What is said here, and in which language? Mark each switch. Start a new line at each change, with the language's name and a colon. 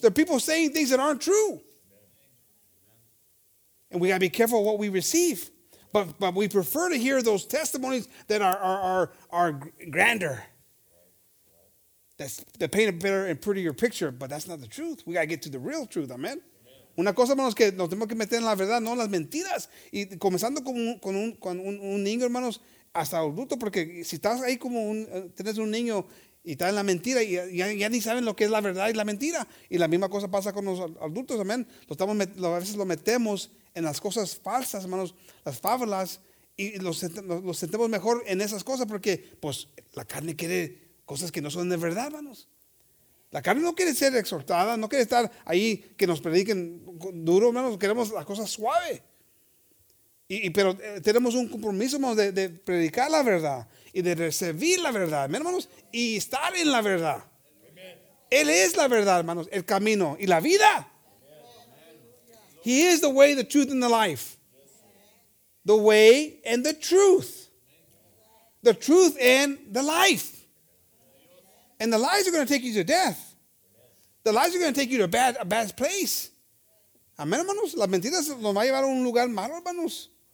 English: They're people saying things that aren't true. And we got to be careful what we receive. But we prefer to hear those testimonies that are grander. That paint a better and prettier picture, but that's not the truth. We got to get to the real truth, amen?
Spanish: Una cosa, hermanos, que nos tenemos que meter en la verdad, no las mentiras. Y comenzando con un niño, hermanos, hasta adulto, porque si estás ahí como un, tienes un niño y está en la mentira, y ya ni saben lo que es la verdad y la mentira. Y la misma cosa pasa con los adultos, amén. A veces lo metemos en las cosas falsas, hermanos, las fábulas, y los sentemos mejor en esas cosas porque, pues, la carne quiere cosas que no son de verdad, hermanos. La carne no quiere ser exhortada, no quiere estar ahí que nos prediquen duro, hermanos. Queremos las cosas suaves. Pero tenemos un compromiso, hermanos, de predicar la verdad y de recibir la verdad, hermanos, y estar en la verdad. Él es la verdad, hermanos, el camino y la vida.
English: He is the way, the truth, and the life. The way and the truth. The truth and the life. And the lies are going to take you to death. The lies are going to take you to a bad place.
Spanish: Amén, hermanos. Las mentiras nos va a llevar a un lugar malo, hermanos.